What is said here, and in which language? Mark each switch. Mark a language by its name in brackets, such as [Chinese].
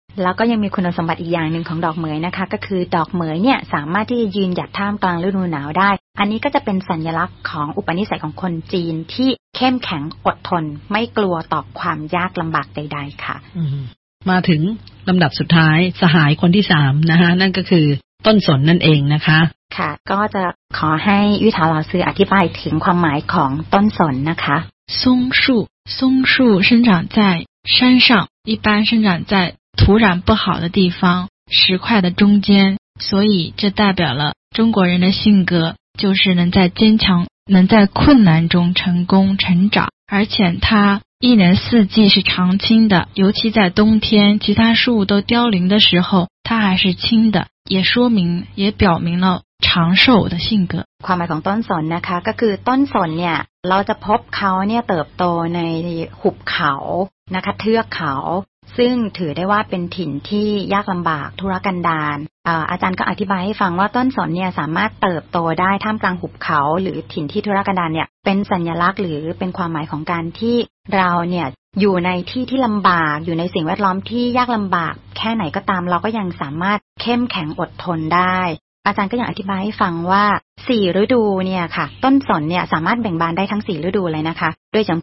[Thai] แล้วก็ยังมีคุณสมบัติอีกอย่างหนึ่งของดอกเหมยนะคะก็คือดอกเหมยเนี่ยสามารถที่จะยืนหยัดท่ามกลางฤดูหนาวได้อันนี้ก็จะเป็นสัญลักษณ์ของอุปนิสัยของคนจีนที่เข้มแข็งอดทนไม่กลัวต่อความยากลำบากใดๆค่ะ มาถึงลำดับสุดท้ายสหายคนที่สามนะคะนั่นก็คือต้นสนนั่นเองนะคะ ค่ะก็จะขอให้วิถาลาซืออธิบายถึงความหมายของต้นสนนะคะ [Chinese] ซงชู่ซงชู่生长在山上一般生长在土壤不好的地方石块的中间所以这代表了中国人的性格就是能在坚强能在困难中成功成长而且它一年四季是常青的尤其在冬天其他树都凋零的时候它还是青的也说明也表明了长寿的性格 [Thai] ความหมายของต้นสนนะคะก็คือต้นสนเนี่ยเราจะพบเขาเนี่ยเติบโตในหุบเขานะคะเทือกเขาซึ่งถือได้ว่าเป็นถิ่นที่ยากลำบากทุรกันดาร อาจารย์ก็อธิบายให้ฟังว่าต้นสนเนี่ยสามารถเติบโตได้ท่ามกลางหุบเขาหรือถิ่นที่ทุรกันดารเนี่ยเป็นสัญลักษณ์หรือเป็นความหมายของการที่เราเนี่ยอยู่ในที่ที่ลำบากอยู่ในสิ่งแวดล้อมที่ยากลำบากแค่ไหนก็ตามเราก็ยังสามารถเข้มแข็งอดทนได้อาจารย์ก็อยากอธิบายให้ฟังว่า4ฤดูเนี่ยค่ะต้นสนเนี่ยสามารถแบ่งบานได้ทั้ง4ฤดูเลยนะคะโ